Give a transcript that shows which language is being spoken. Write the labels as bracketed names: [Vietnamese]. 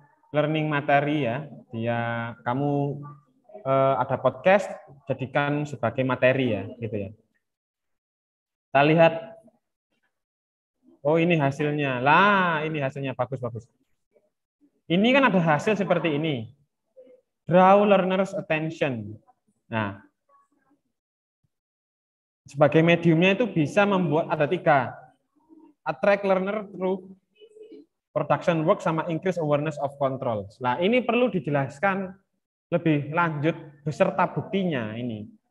[Indonesian] learning materi ya. Dia kamu ada podcast, jadikan sebagai materi ya, gitu ya. Kita lihat. Oh, ini hasilnya. Lah, ini hasilnya bagus-bagus. Ini kan ada hasil seperti ini. [English] Draw learner's attention. [Indonesian] Nah, sebagai mediumnya itu bisa membuat ada tiga. [English] Attract learner through production work sama increase awareness of control. [Indonesian] Nah, ini perlu dijelaskan lebih lanjut beserta buktinya ini.